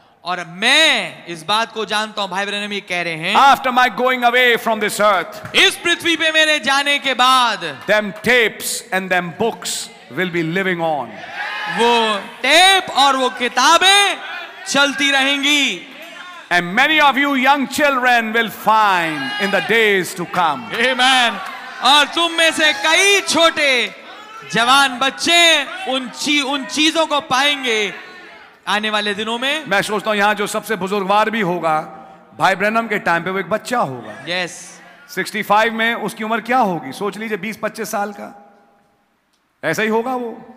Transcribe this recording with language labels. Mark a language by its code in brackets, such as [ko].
[hi] और मैं इस बात को जानता हूं. भाई ब्रैनम ये कह रहे हैं. [en] After my going away from this earth. [hi] इस पृथ्वी पे मेरे जाने के बाद. [en] Them tapes and them books will be living on. [hi] वो टेप और वो किताबें चलती रहेंगी. [en] And many of you young children will find in the days to come. Amen. [hi] और तुम में से कई छोटे जवान बच्चे उन चीजों को पाएंगे आने वाले दिनों में. मैं सोचता हूँ यहाँ जो सबसे बुजुर्गवार भी होगा भाई ब्रैनम के टाइम पे वो एक बच्चा होगा. [en] Yes. [hi] 65 में उसकी उम्र क्या होगी सोच लीजिए. 20-25 साल का ऐसा ही होगा वो.